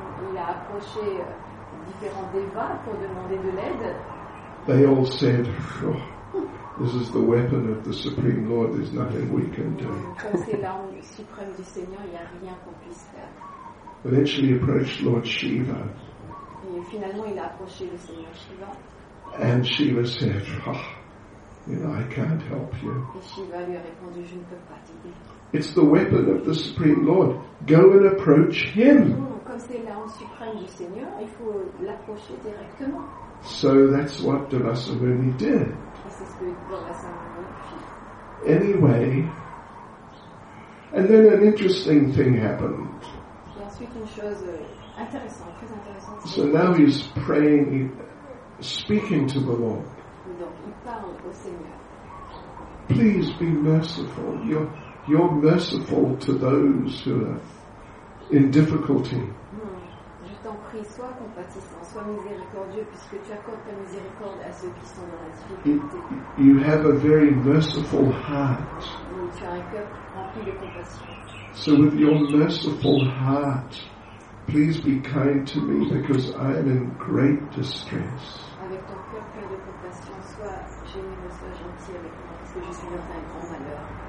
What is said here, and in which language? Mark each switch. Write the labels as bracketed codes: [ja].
[fr] Il a approché différents devas pour demander de l'aide. [en] They all said, oh, this is the weapon of the Supreme Lord, there's nothing we can do. [fr] C'est l'arme suprême du Seigneur, il n'y a rien qu'on puisse faire. [en] Eventually approached Lord Shiva. [fr] Et finalement, il a approché le Seigneur Shiva. [en] And Shiva said, oh, you know, I can't help you. [fr] Et Shiva lui a répondu, je ne peux pas t'aider. [en] It's the weapon of the Supreme Lord. Go and approach him. [fr] Comme c'est l'arme suprême du Seigneur, il faut l'approcher directement. [en] So that's what Devasmani did. [fr] Et c'est ce que Devasmani fit. [en] Anyway, and then an interesting thing happened. [fr] explique une chose intéressante, très intéressante. [en] So now he's praying, speaking to the Lord. [fr] Donc il parle au Seigneur. [en] Please be merciful. You're merciful to those who are in difficulty. [fr] Je t'en prie, sois compatissant, sois miséricordieux, puisque tu accordes ta miséricorde à ceux qui sont dans la difficulté. [en] You have a very merciful heart. [fr] Tu as un cœur rempli de compassion. [en] So with your merciful heart, please be kind to me because I am in great distress. [fr] Avec ton cœur plein de compassion, sois généreux, sois gentil avec moi, parce que je suis dans un grand malheur.